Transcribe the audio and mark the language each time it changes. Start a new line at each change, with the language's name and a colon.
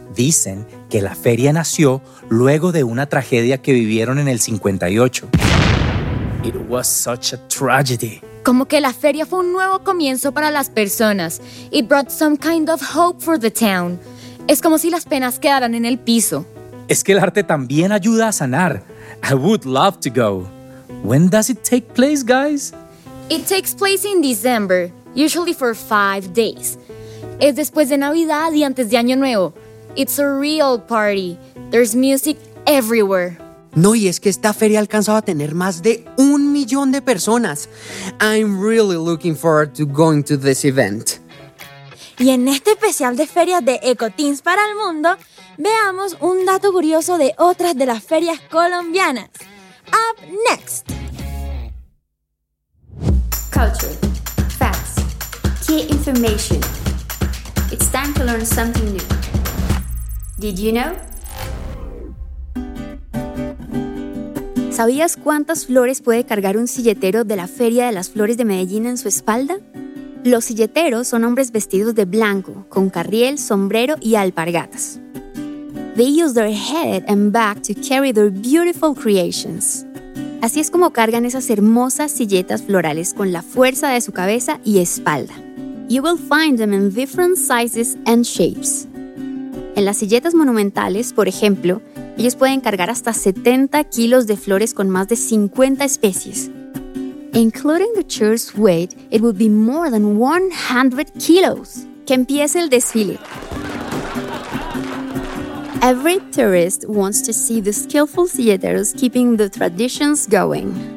Spanish: Dicen que la feria nació luego de una tragedia que vivieron en el 58.
English: It was such a tragedy.
Spanish: Como que la feria fue un nuevo comienzo para las personas.
English: It brought some kind of hope for the town.
Spanish: Es como si las penas quedaran en el piso. Es que el arte también ayuda a sanar.
English: I would love to go. When does it take place, guys? It takes place in December, usually for 5 days.
Spanish: Es después de Navidad y antes de Año Nuevo.
English: It's a real party. There's music everywhere.
Spanish: No, y es que esta feria ha alcanzado a tener más de 1 millón de personas.
English: I'm really looking forward to going to this event.
Spanish: Y en este especial de ferias de EcoTeens para el Mundo, veamos un dato curioso de otras de las ferias colombianas.
English: Up next. Culture. Facts. Key information. It's time to learn something new. Did you know?
Spanish: ¿Sabías cuántas flores puede cargar un silletero de la Feria de las Flores de Medellín en su espalda? Los silleteros son hombres vestidos de blanco, con carriel, sombrero y alpargatas.
English: They use their head and back to carry their beautiful creations.
Spanish: Así es como cargan esas hermosas silletas florales con la fuerza de su cabeza y espalda.
English: you will find them in different sizes and shapes.
Spanish: En las silletas monumentales, por ejemplo, ellos pueden cargar hasta 70 kilos de flores con más de 50 especies.
English: Including the chair's weight, it would be more than 100 kilos.
Spanish: Que empiece el desfile.
English: Every tourist wants to see the skillful silleteros keeping the traditions going.